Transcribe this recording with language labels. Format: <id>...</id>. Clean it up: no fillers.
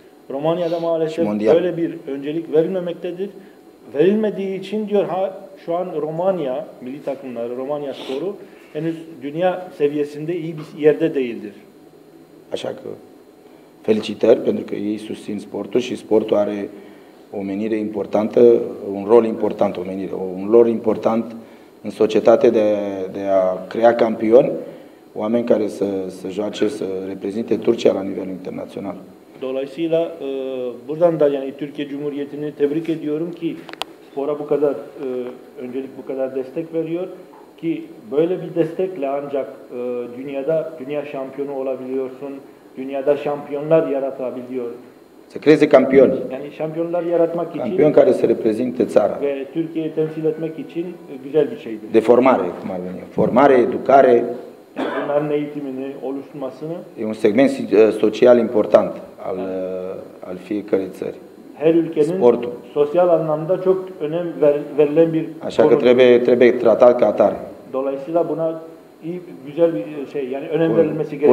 <tr>Romanya'da maalesef böyle bir öncelik verilmemektedir. Verilmediği için diyor ha şu an Romanya milli takımları, Romanya sporu henüz dünya seviyesinde iyi bir yerde değildir.</tr> <ro>Așa că felicitări pentru că ei susțin sportul și sportul are o menire importantă, un rol important, o menire, un rol important în societate de a crea campioni, oameni care să joace, să reprezinte Turcia la nivel internațional.</ro> <tr>Dolayısıyla buradan da yani Türkiye Cumhuriyeti'ni tebrik ediyorum ki spora bu kadar öncelik bu kadar destek veriyor ki böyle bir destekle ancak dünyada dünya şampiyonu olabiliyorsun. Dünyada şampiyonlar yaratabiliyor.</tr> <ro>Se creeze campioni.</ro> <tr>Yani şampiyonlar yaratmak için.</tr> <ro>Campion care să reprezinte țara.</ro> <tr>Ve Türkiye'yi temsil etmek için güzel bir şeydir.</tr> <ro>De formare, cum ar veni. Formare, educare.</ro> <tr>Yani bunların eğitimini, oluşturmasını.</tr> <ro>E un segment social important al,</ro> <tr>yani,</tr> <ro>al fiecare țări.</ro> <tr>Her ülkenin sportul. Sosyal anlamda çok önem verilen bir konu.</tr> <ro>Așa că trebuie tratat ca atare.</ro> <tr>Dolayısıyla buna iyi, güzel bir şey, yani önem verilmesi gerektiğini.</tr>